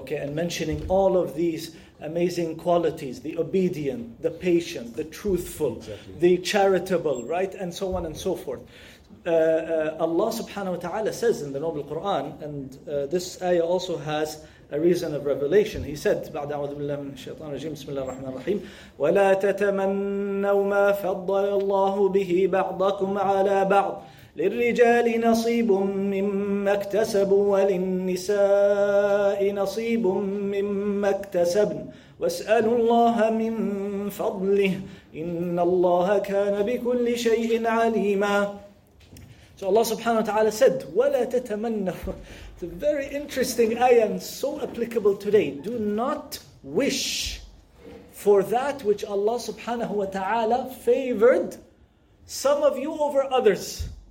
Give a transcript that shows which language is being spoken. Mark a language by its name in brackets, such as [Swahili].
[English] Okay, and mentioning all of these amazing qualities, the obedient, the patient, the truthful, exactly, the charitable, right, and so on and so forth. Allah subhanahu wa ta'ala says in the Noble Quran, and this ayah also has a reason of revelation. He said, [Arabic] بعد أعوذ بالله من الشيطان الرجيم بسم الله الرحمن الرحيم ولا تتمنوا ما فضل الله به بعضكم على بعض للرجال نصيب مما اكتسبوا وللنساء نصيب مما اكتسبن واسألوا الله من فضله إن الله كان بكل شيء عليما. [English] So Allah subhanahu wa ta'ala said, [Arabic] وَلَا تَتَمَنَّهُ. [English] It's a very interesting ayah and so applicable today. Do not wish for that which Allah subhanahu wa ta'ala favored some of you over others.